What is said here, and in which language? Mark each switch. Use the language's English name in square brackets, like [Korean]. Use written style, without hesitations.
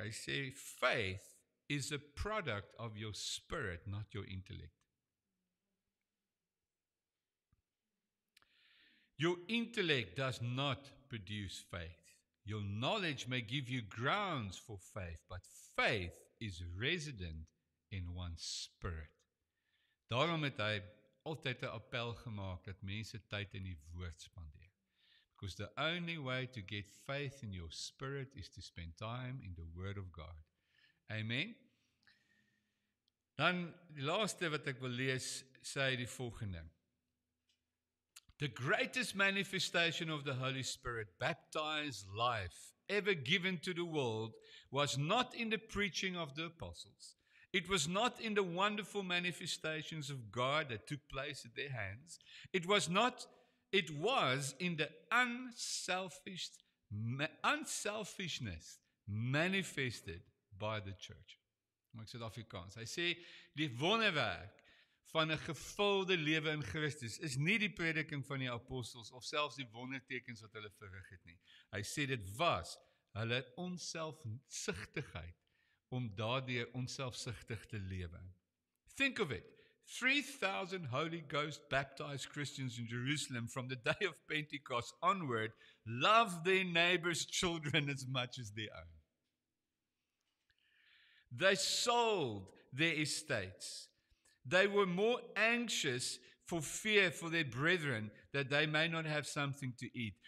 [Afrikaans] Hy sê, [English] faith is a product of your spirit, not your intellect. Your intellect does not produce faith. Your knowledge may give you grounds for faith, but faith is resident in one's spirit. [Afrikaans] Daarom het hy altyd 'n appel gemaak dat mense tyd in die woord spandeer. [English] Because the only way to get faith in your spirit is to spend time in the Word of God. Amen. [Afrikaans] Dan, die laaste wat ek wil lees, sê die volgende. [English] The greatest manifestation of the Holy Spirit, baptized life, ever given to the world, was not in the preaching of the apostles. It was not in the wonderful manifestations of God that took place at their hands. It was in the unselfishness manifested by the church. [Afrikaans] Maak sê dit Afrikaans. Hy sê, die wonderwerk van 'n gevulde lewe in Christus is nie die prediking van die apostels of selfs die wondertekens wat hulle verrig het nie. Hy sê, dit was hulle onselfsigtigheid om daardeur onselfsigtig te lewe. [English] Think of it. 3,000 Holy Ghost baptized Christians in Jerusalem from the day of Pentecost onward love their neighbor's children as much as their own. They sold their estates. They were more anxious for fear for their brethren that they may not have something to eat.